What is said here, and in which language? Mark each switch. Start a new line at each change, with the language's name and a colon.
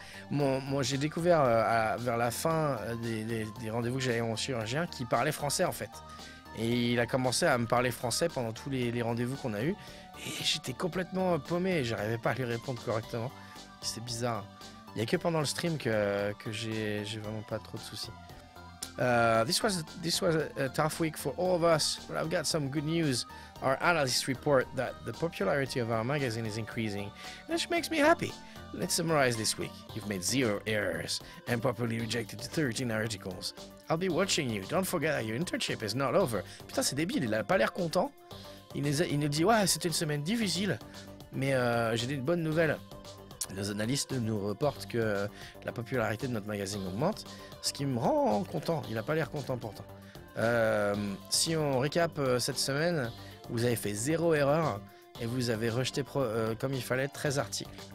French: Moi j'ai découvert vers la fin des rendez-vous que j'avais en chirurgien qui parlait français en fait, et il a commencé à me parler français pendant tous les rendez-vous qu'on a eu, et j'étais complètement paumé, j'arrivais pas à lui répondre correctement, c'était bizarre. Il y a que pendant le stream que j'ai vraiment pas trop de soucis.
English: This was a tough week for all of us, but I've got some good news. Our analysts report that the popularity of our magazine is increasing, which makes me happy. Let's summarize this week. You've made 0 errors and properly rejected 13 articles. I'll be watching you. Don't forget that your internship is not over.
French: Putain, c'est débile, il a pas l'air content. Il nous dit, ouais, c'était une semaine difficile, mais j'ai des bonnes nouvelles. Nos analystes nous reportent que la popularité de notre magazine augmente, ce qui me rend content. Il n'a pas l'air content pourtant. Si on récap cette semaine, vous avez fait 0 erreur et vous avez rejeté comme il fallait 13 articles.